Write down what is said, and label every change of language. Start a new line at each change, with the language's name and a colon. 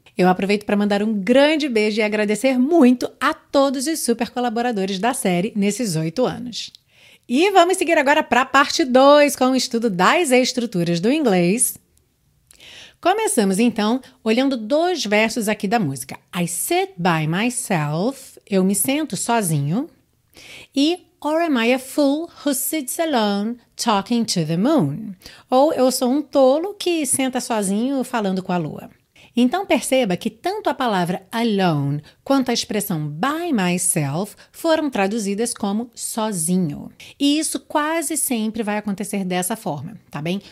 Portuguese: Eu aproveito para mandar um grande beijo e agradecer muito a todos os super colaboradores da série nesses 8 anos. E vamos seguir agora para a parte 2 com o estudo das estruturas do inglês. Começamos então olhando 2 versos aqui da música.
English: I sit by myself,
Portuguese: eu me sento sozinho.
English: E or am I a fool who sits alone talking to the moon?
Portuguese: Ou eu sou um tolo que senta sozinho falando com a lua. Então perceba que tanto a palavra alone quanto a expressão by myself foram traduzidas como sozinho. E isso quase sempre vai acontecer dessa forma, tá bem?